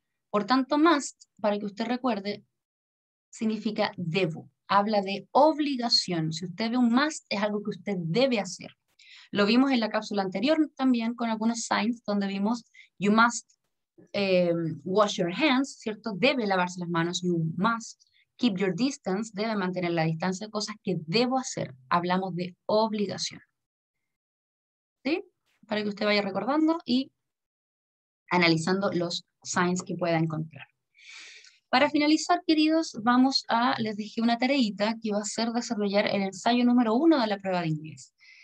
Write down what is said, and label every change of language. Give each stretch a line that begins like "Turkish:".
Spanish: Por tanto, must, para que usted recuerde, significa debo. Habla de obligación. Si usted ve un must, es algo que usted debe hacer. Lo vimos en la cápsula anterior también con algunos signs donde vimos
English: you must wash your hands,
Spanish: ¿cierto? Debe lavarse las manos.
English: You must keep your distance.
Spanish: Debe mantener la distancia. Cosas que debo hacer. Hablamos de obligación. ¿Sí? Para que usted vaya recordando y analizando los signs que pueda encontrar. Para finalizar, queridos, les dejé una tareita que va a ser desarrollar el ensayo número 1 de la prueba de inglés.